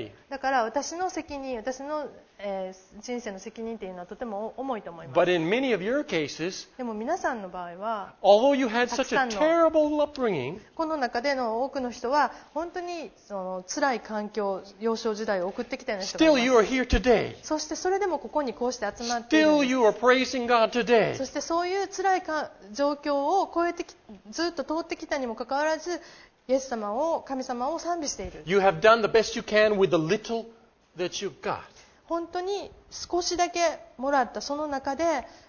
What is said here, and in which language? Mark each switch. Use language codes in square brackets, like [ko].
[ja] だから私の責任、私の人生の責任というのはとても重いと思います。 [en] But in many of your cases, [ja] でも皆さんの場合は、 [en] although you had such a terrible upbringing, [ja] この中での多くの人は本当にその辛い環境、幼少時代を送ってきたような人もいます。 [en] Still you are here today. [ja] そしてそれでもここにこうして集まっている。 [en] Still you are praising God today. [ja] そしてそういう辛い状況を超えてきずっと通ってきたにもかかわらず、イエス様を神様を賛美している。 [en] You have done the best you can with the little that you've got. [ja] 本当に少しだけもらったその中で、